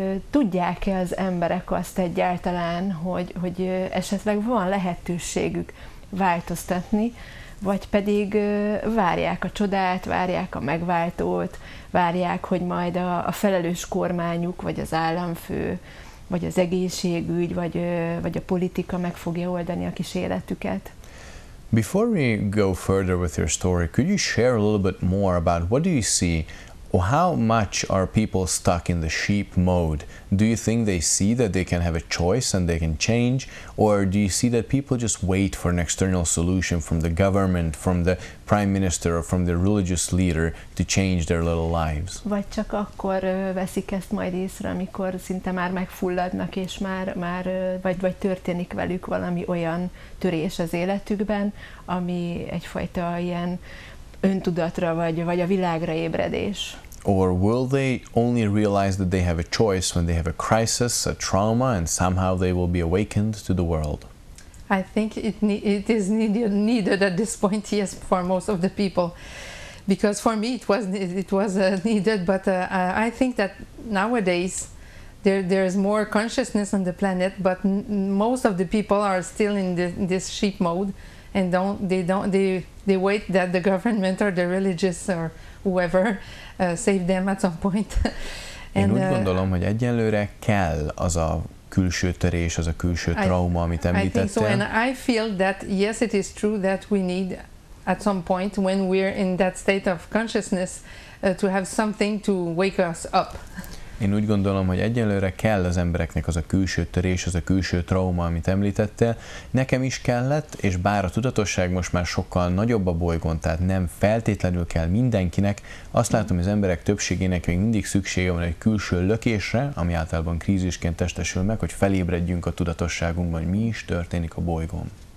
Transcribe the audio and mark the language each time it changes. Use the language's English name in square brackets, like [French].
[Hungarian] Tudják-e az emberek azt egyáltalán, hogy esetleg van lehetőségük változtatni, vagy pedig várják a csodát, várják a megváltót, várják, hogy majd a felelős kormányuk, vagy az államfő, vagy az egészségügy, vagy a politika meg fogja oldani a kis életüket? [English] Before we go further with your story, could you share a little bit more about what do you see? How much are people stuck in the sheep mode? Do you think they see that they can have a choice and they can change? Or do you see that people just wait for an external solution from the government, from the prime minister, or from the religious leader to change their little lives? [Hungarian] Vagy csak akkor veszik ezt majd észre, amikor szinte már megfulladnak, és már vagy történik velük valami olyan törés az életükben, ami egyfajta ilyen öntudatra vagy a világra ébredés. [English] Or will they only realize that they have a choice when they have a crisis, a trauma, and somehow they will be awakened to the world? I think it is needed at this point, yes, for most of the people, because for me it was needed. But I think that nowadays there is more consciousness on the planet, but most of the people are still in this sheep mode. And they wait that the government or the religious or whoever save them at some point. [Hungarian] Én úgy gondolom, hogy egyelőre kell az a külső törés, az a külső trauma, amit említettél. [English] I think so, and I feel that yes, it is true that we need at some point when we're in that state of consciousness to have something to wake us up. [Hungarian] Én úgy gondolom, hogy egyelőre kell az embereknek az a külső törés, az a külső trauma, amit említettél. Nekem is kellett, és bár a tudatosság most már sokkal nagyobb a bolygón, tehát nem feltétlenül kell mindenkinek, azt látom, hogy az emberek többségének még mindig szüksége van egy külső lökésre, ami általában krízisként testesül meg, hogy felébredjünk a tudatosságunkban, hogy mi is történik a bolygón.